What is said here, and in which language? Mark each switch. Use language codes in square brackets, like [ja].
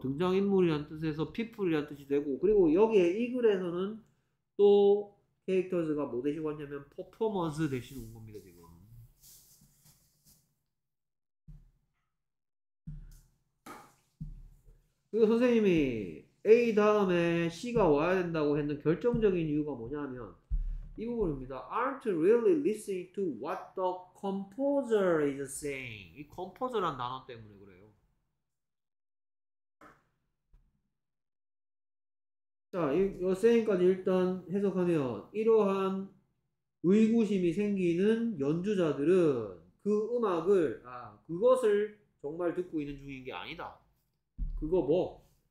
[ko] 등장인물이란 뜻에서 people이란 뜻이 되고, 그리고 여기에 이 글에서는 또 characters가 뭐 대신 왔냐면 performance 대신 온 겁니다, 지금. 그리고 선생님이 A 다음에 C가 와야 된다고 했는 결정적인 이유가 뭐냐면 이 부분입니다. [en] Aren't really listening to what the composer is saying. [ko] 이 composer란 단어 때문에 그래요. 자, 이 saying까지 일단 해석하면 이러한 의구심이 생기는 연주자들은 그 음악을, 그것을 정말 듣고 있는 중인 게 아니다. 그거 뭐?